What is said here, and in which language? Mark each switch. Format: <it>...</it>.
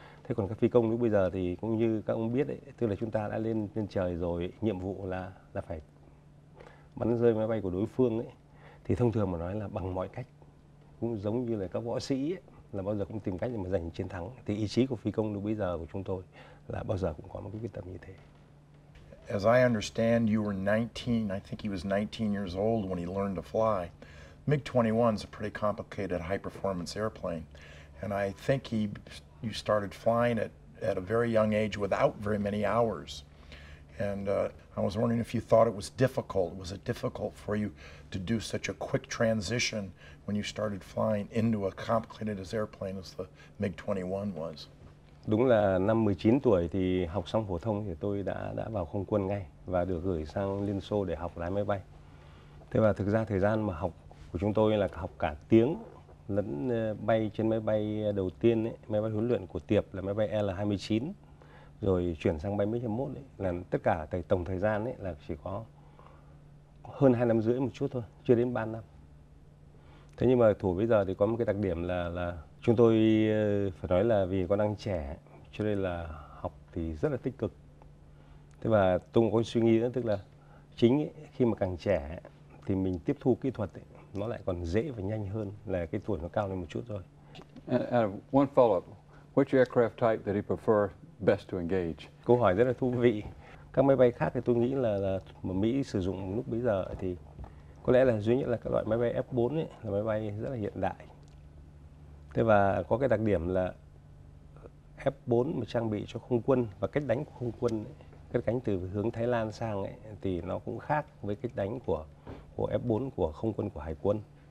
<vi>Thế còn các phi công lúc bây giờ thì cũng như các ông biết ấy, tức là chúng ta đã lên trời rồi, nhiệm vụ là phải bắn rơi máy bay của đối phương ấy, thì thông thường mà nói là bằng mọi cách, cũng giống như là các võ sĩ ấy, là bao giờ cũng tìm cách để mà giành chiến thắng. Thì ý chí của phi công lúc bây giờ của chúng tôi là bao giờ cũng có một cái quyết tâm như thế.</vi> <en>As I understand, you were 19, I think he was 19 years old when he learned to fly. MiG-21 is a pretty complicated high-performance airplane, and I think you started flying it at a very young age without very many hours. And I was wondering if you thought it was difficult. Was it difficult for you to do such a quick transition when you started flying into a complicated airplane as the MiG-21 was?</en> <vi>Đúng là năm 19 tuổi thì học xong phổ thông thì tôi đã vào không quân ngay và được gửi sang Liên Xô để học lái máy bay. Thế và thực ra thời gian mà học của chúng tôi là học cả tiếng lẫn bay trên máy bay đầu tiên ấy, máy bay huấn luyện của Tiệp là máy bay L-29, rồi chuyển sang bay MiG-21 ấy, là tất cả tổng thời gian ấy là chỉ có hơn 2 năm rưỡi một chút thôi, chưa đến 3 năm. Thế nhưng mà thủ bây giờ thì có một cái đặc điểm là chúng tôi phải nói là vì con đang trẻ cho nên là học thì rất là tích cực. Thế và tôi cũng có suy nghĩ nữa, tức là chính ấy, khi mà càng trẻ thì mình tiếp thu kỹ thuật ấy, nó lại còn dễ và nhanh hơn là cái tuổi nó cao lên một chút thôi.</vi> <en>And one follow-up. Which aircraft type did he prefer best to engage?</en> <vi>Câu hỏi rất là thú vị. Các máy bay khác thì tôi nghĩ là mà Mỹ sử dụng lúc bây giờ thì có lẽ là duy nhất là các loại máy bay F-4 ấy, là máy bay rất là hiện đại. Thế và có cái đặc điểm là F-4 mà trang bị cho không quân và cách đánh của không quân ấy, cất cánh từ hướng Thái Lan sang ấy, thì nó cũng khác với cách đánh của F-4 của không quân của Hải quân.</vi>